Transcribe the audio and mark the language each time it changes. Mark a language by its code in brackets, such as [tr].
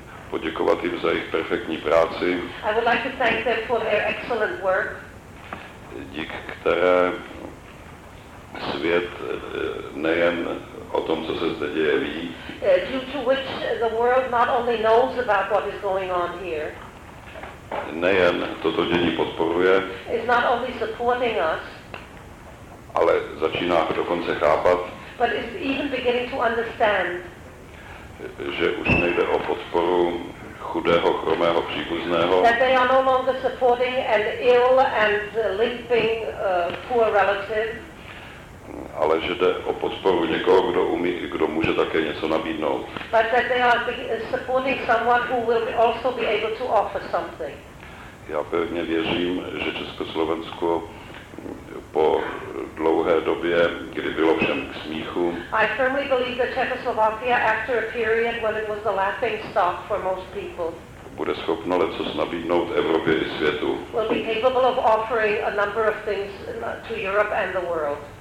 [cs] Poděkovat jim za jejich perfektní práci, [en] I would like to thank them for their excellent work, [cs] dík které svět nejen o tom, co se zde děje, ví, [en] due to which the world not only knows about what is going on here, [cs] nejen toto dění podporuje, [en] is not only supporting us, [cs] ale začíná dokonce chápat, [en] but is even beginning to understand, [cs] že už nejde o podporu chudého, chromého příbuzného, [en] that they are no longer supporting an ill and limping poor relative, [cs] ale že jde o podporu někoho, kdo umí, kdo může také něco nabídnout. [en] But that they are supporting someone who will also be able to offer something. [cs] Já pevně věřím, že Československo po dlouhé době, kdy bylo všem k smíchu, [en] I firmly believe that Czechoslovakia after a period when it was the laughing stock for most people, [cs] bude schopno lecos nabídnout Evropě i světu. [en] Will be capable of offering a number of things to Europe and the world.